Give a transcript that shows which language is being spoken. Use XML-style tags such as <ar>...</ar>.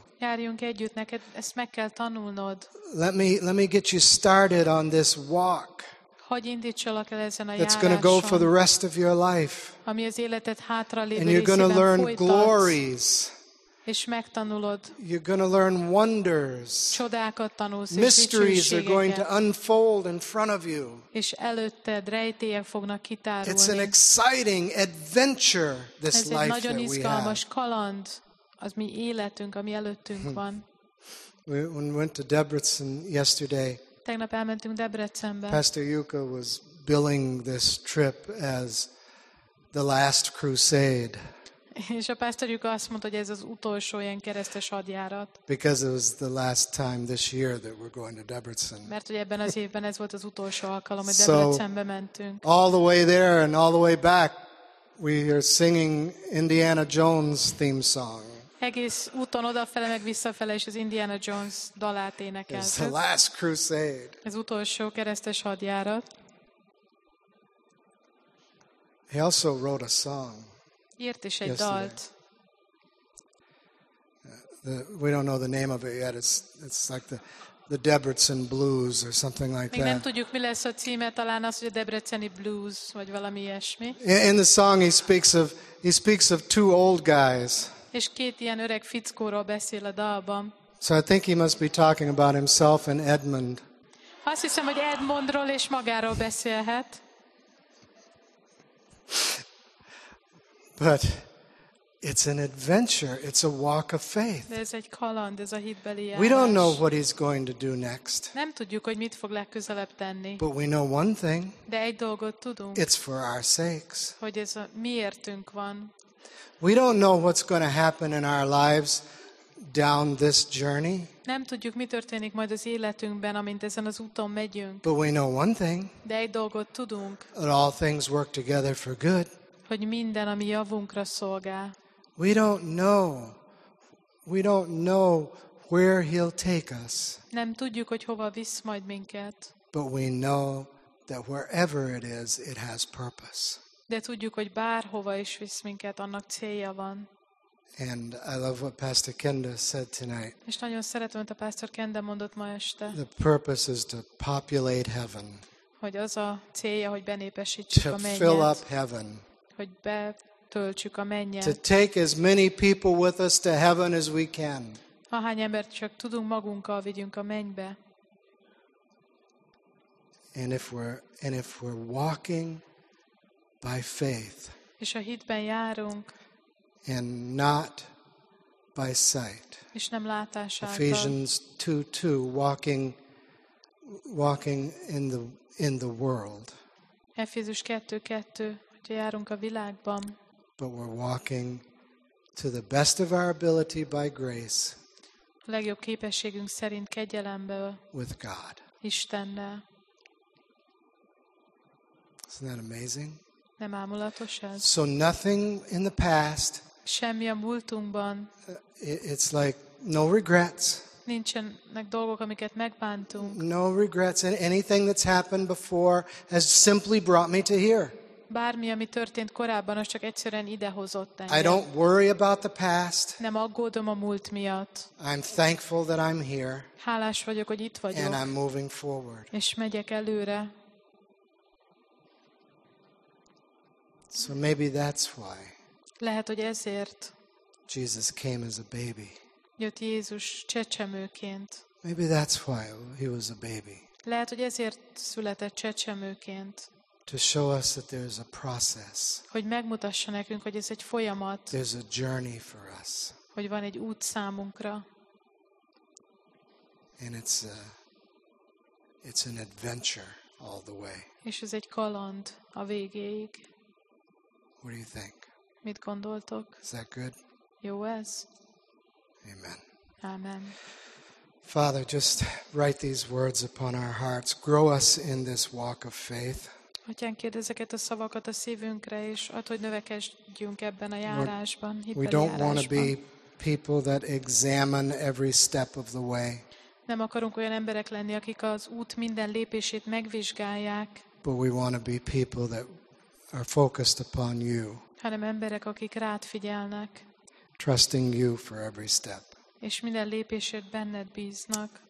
<hu>Járjunk együtt, neked ezt meg kell tanulnod.</hu> <en>Let me get you started on this walk.</en> <hu>Hogy indítsalak el ezen a járáson.</hu> <en>That's going to go for the rest of your life.</en> <hu>Ami az életed hátra lévő.</hu> <en>And you're going to learn</en> <hu>folytatsz.</hu> <en>Glories.</en> <hu>És megtanulod.</hu> <en>You're going to learn wonders.</en> <hu>Csodákat tanulsz.</hu> <en>Mysteries are going to unfold in front of you.</en> <hu>És előtted rejtélyek fognak kitárulni.</hu> <en>It's an exciting adventure this life that we have.</en> <hu>Ez egy nagyon izgalmas kaland. Az mi életünk, ami előttünk van.</hu> <en>We went to Debrecen yesterday.</en> <hu>Tegnap elmentünk Debrecenbe.</hu> <en>Pastor Yuka was billing this trip as the last crusade.</en> <hu>És a Pastor Yuka azt mondta, hogy ez az utolsó ilyen keresztes hadjárat.</hu> <en>Because it was the last time this year that we're going to Debrecen.</en> <hu>Mert ugye ebben az évben ez volt az utolsó alkalom, hogy Debrecenbe mentünk.</hu> <en>So, all the way there and all the way back, we are singing Indiana Jones theme song.</en> <hu>Egész úton odafele meg visszafele is az Indiana Jones dalát énekeltük.</hu> <en>It's the last crusade.</en> <hu>Ez utolsó keresztes hadjárat.</hu> <en>He also wrote a song.</en> <hu>Írt is egy dalt.</hu> <en>We don't know the name of it yet. It's like the Debrecen Blues or something like that.</en> <hu>Még nem tudjuk, mi lesz a címe, talán az, hogy a Debreceni Blues vagy valami ilyesmi.</hu> <en>In the song he speaks of two old guys.</en> <hu>És két ilyen öreg fickóról beszél a dalban.</hu> <en>So I think he must be talking about himself and Edmund.</en> <hu>Azt hiszem, hogy Edmundról és magáról beszélhet.</hu> <en>But it's an adventure, it's a walk of faith.</en> <hu>De ez egy kaland, ez a hitbeli járás.</hu> <en>We don't know what he's going to do next.</en> <hu>Nem tudjuk, hogy mit fog legközelebb tenni.</hu> <en>But we know one thing.</en> <hu>De egy dolgot tudunk.</hu> <en>It's for our sakes.</en> <hu>Hogy ez a miértünk van.</hu> <en>We don't know what's going to happen in our lives down this journey.</en> <hu>Nem tudjuk, mi történik majd az életünkben, amint ezen az úton megyünk.</hu> <en>But we know one thing.</en> <hu>De egy dolgot tudunk.</hu> <en>That all things work together for good.</en> <hu>Hogy minden, ami javunkra szolgál.</hu> <en>We don't know We don't know where he'll take us.</en> <hu>Nem tudjuk, hogy hova visz majd minket.</hu> <en>But we know that wherever it is, it has purpose.</en> <hu>De tudjuk, hogy bárhova is visz minket, annak célja van.</hu> <en>And I love what Pastor Kenda said tonight.</en> <hu>És nagyon szeretem, amit a Pastor Kenda mondott ma este.</hu> <en>The purpose is to populate heaven.</en> <hu>Hogy az a célja, hogy benépesítsük a mennyet.</hu> <en>To fill up heaven.</en> <hu>Hogy betöltsük a mennyet.</hu> <en>To take as many people with us to heaven as we can.</en> <hu>Ahány embert csak tudunk magunkkal vigyünk a mennybe.</hu> <en>And if we're walking by faith.</en> <hu>És a hitben járunk.</hu> <en>And not by sight.</en> <hu>És nem látás által.</hu> <en>Ephesians 2:2, walking in the world.</en> <hu>Efézus 2:2, hogy járunk a világban.</hu> <en>But we're walking to the best of our ability by grace.</en> <hu>A legjobb képességünk szerint kegyelemből.</hu> <en>With God.</en> <hu>Istennel.</hu> <en>Isn't that amazing?</en> <hu>Nem ámulatos ez?</hu> <en>So nothing in the past.</en> <hu>Semmi a múltunkban.</hu> <en>It's like no regrets.</en> <hu>Nincsenek dolgok, amiket megbántunk.</hu> <en>No regrets in anything that's happened before has simply brought me to here.</en> <hu>Bármi, ami történt korábban, az csak egyszerűen idehozott engem.</hu> <en>I don't worry about the past.</en> <hu>Nem aggódom a múlt miatt.</hu> <en>I'm thankful that I'm here.</en> <hu>Hálás vagyok, hogy itt vagyok.</hu> <en>And I'm moving forward.</en> <hu>És megyek előre.</hu> <en>So maybe that's why.</en> <hu>Lehet, hogy ezért.</hu> <en>Jesus came as a baby.</en> <hu>Jött Jézus csecsemőként.</hu> <en>Maybe that's why he was a baby.</en> <hu>Lehet, hogy ezért született csecsemőként.</hu> <en>To show us that there is a process.</en> <hu>Hogy megmutassa nekünk, hogy ez egy folyamat.</hu> <en>There's a journey for us.</en> <hu>Hogy van egy út számunkra.</hu> <en>And it's an adventure all the way.</en> <hu>És ez egy kaland a végéig.</hu> <en>What do you think?</en> <hu>Mit gondoltok?</hu> <en>Is that good?</en> <hu>Jó ez.</hu> <en>Amen.</en> <hu>Amen.</hu> <en>Father, just write these words upon our hearts. Grow us in this walk of faith.</en> <hu>Atyánk, kérd ezeket a szavakat a szívünkre, és add, hogy növekedjünk ebben a járásban, hitbeli járásban.</hu> <en>We don't want to be people that examine every step of the way.</en> <hu>Nem akarunk olyan emberek lenni, akik az út minden lépését megvizsgálják.</hu> <en>But we want to be people that are focused upon you.</en> <hu>Hanem emberek, akik rád figyelnek.</hu> <en>Trusting you for every step.</en> <hu>És minden lépésért benned bíznak.</hu>